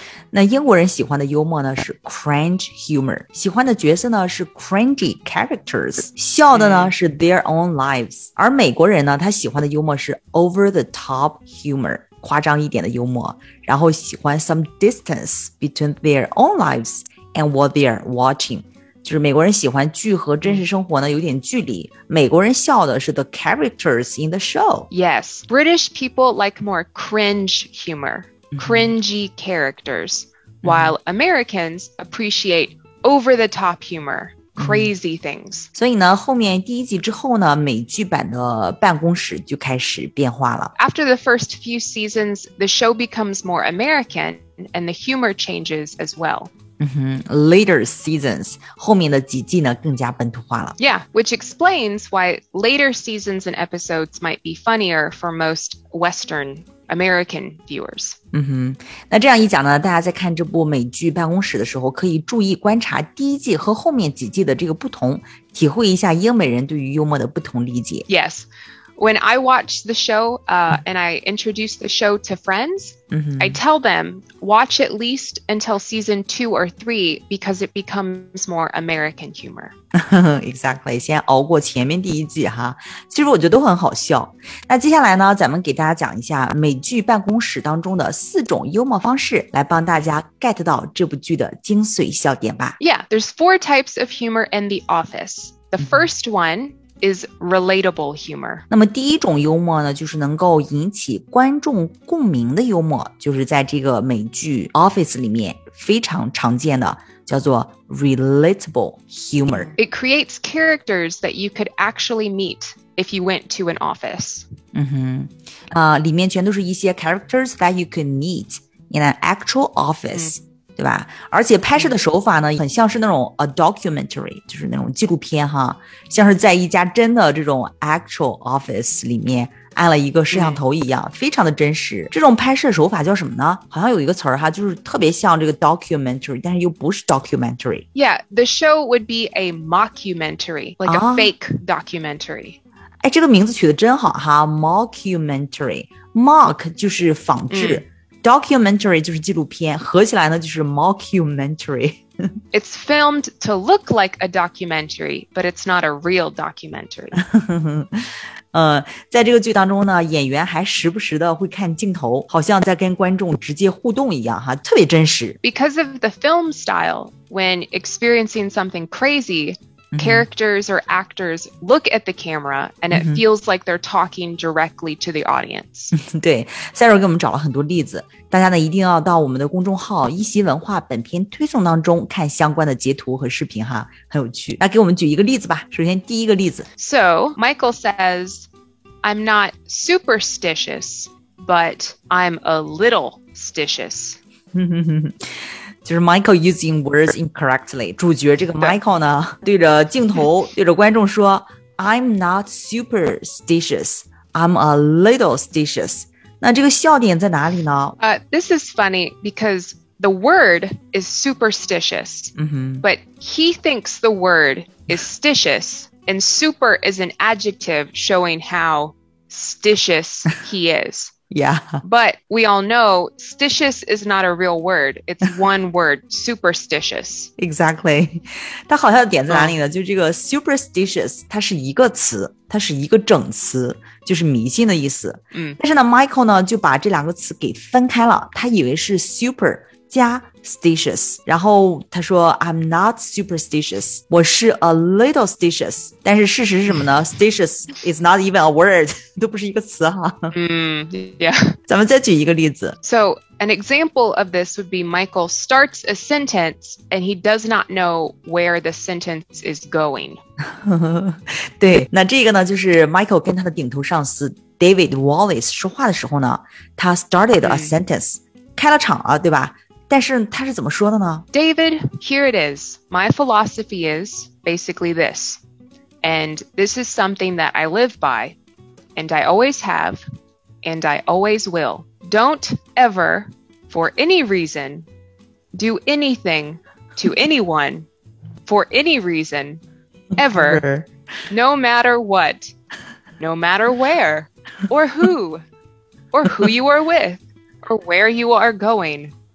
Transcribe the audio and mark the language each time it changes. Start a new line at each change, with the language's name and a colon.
Chinese: 那英国人喜欢的幽默呢是
English: cringe humor,
Chinese: 喜欢的角色呢是
English: cringy characters,
Chinese: 笑的呢是
English: their own lives.
Chinese: 而美国人呢他喜欢的幽默是
English: over the top humor,
Chinese: 夸张一点的幽默，然后喜欢
English: some distance between their own lives and what they're watching,
Chinese: 就是美国人喜欢剧和真实生活呢有点距离，美国人笑的是
English: the characters in the show. Yes, British people like more cringe humor, cringy characters, while Americans appreciate over-the-top humor, crazy things.
Chinese: 所以呢，后面第一集之后呢，美剧版的办公室就开始变化了。
English: After the first few seasons, the show becomes more American and the humor changes as well. Later seasons,
Chinese: 后面的几季呢更加本土化了。
English: Yeah, which explains why later seasons and episodes might be funnier for most Western American viewers.
Chinese: 嗯哼，那这样一讲呢，大家在看这部美剧办公室的时候，可以注意观察第一季和后面几季的这个不同，体会一下英美人对于幽默的不同理解。
English: Yes. When I watch the show, and I introduce the show to friends, I tell them, watch at least until season 2 or 3, because it becomes more American humor. Exactly.
Chinese: 先熬过前面第一季哈。其实我觉得都很好笑。那接下来呢，咱们给大家讲一下美剧办公室当中的四种幽默方式，来帮大家 get 到这部剧的精髓笑点吧。
English: Yeah, there's 4 types of humor in The Office. The first one... is relatable humor.
Chinese: 那么第一种幽默呢，就是能够引起观众共鸣的幽默，就是在这个美剧 Office 里面非常常见的，叫做 relatable humor.
English: It creates characters that you could actually meet if you went to an office.
Chinese: 嗯哼，里面全都是一些
English: characters that you could meet in an actual office.
Chinese: 对吧？而且拍摄的手法呢，很像是那种
English: a documentary，
Chinese: 就是那种纪录片哈，像是在一家真的这种
English: actual office
Chinese: 里面按了一个摄像头一样，非常的真实。这种拍摄手法叫什么呢？好像有一个词儿哈，就是特别像这个 documentary， 但是又不是 documentary。
English: Yeah, the show would be a mockumentary, like a fake documentary.
Chinese: 哎，这个名字取得真好哈 ，mockumentary。Mock 就是仿制。 Documentary 就是纪录片，合起来呢就是 mockumentary.
English: It's filmed to look like a documentary, but it's not a real documentary.
Chinese: 在这个剧当中呢，演员还时不时的会看镜头，好像在跟观众直接互动一样哈，特别真实。
English: Because of the film style, when experiencing something crazy, characters or actors look at the camera and it feels like they're talking directly to the audience.
Chinese: 对 ,Sarah 给我们找了很多例子，大家呢一定要到我们的公众号一席文化本片推送当中看相关的截图和视频哈，很有趣。那给我们举一个例子吧，首先第一个例子。
English: So, Michael says, I'm not superstitious, but I'm a little stitious.
Chinese: 就是
English: Michael using words incorrectly.
Chinese: 主角这个 Michael 呢，对着镜头，对着观众说 ，
English: I'm not superstitious. I'm a little stitious.
Chinese: 那这个笑点在哪里呢？
English: This is funny because the word is superstitious, but he thinks the word is stitious, and super is an adjective showing how stitious he is. Yeah. But we all know stitious is not a real word. It's one word, superstitious. Exactly.
Chinese: 它好笑的点在哪里呢？就这个 superstitious, 它是一个词，它是一个整词，就是迷信的意思。但是呢 ,Michael 呢就把这两个词给分开了，他以为是 super 加 stitious, 然后他说
English: I'm not superstitious,
Chinese: 我是
English: a little stitious,
Chinese: 但是事实是什么呢?
English: stitious is not even a word,
Chinese: 都不是一个词哈。咱们再举一个例子。
English: So, an example of this would be Michael starts a sentence and he does not know where the sentence is going.
Chinese: 对，那这个呢就是 Michael 跟他的顶头上司 David Wallace 说话的时候呢，他
English: started a sentence,
Chinese: 开了场了，对吧？但是他是怎么说的呢
English: ?David, here it is. My philosophy is basically this. And this is something that I live by. And I always have. And I always will. Don't ever, for any reason, do anything to anyone for any reason, ever, no matter what, no matter where, or who you are with, or where you are going.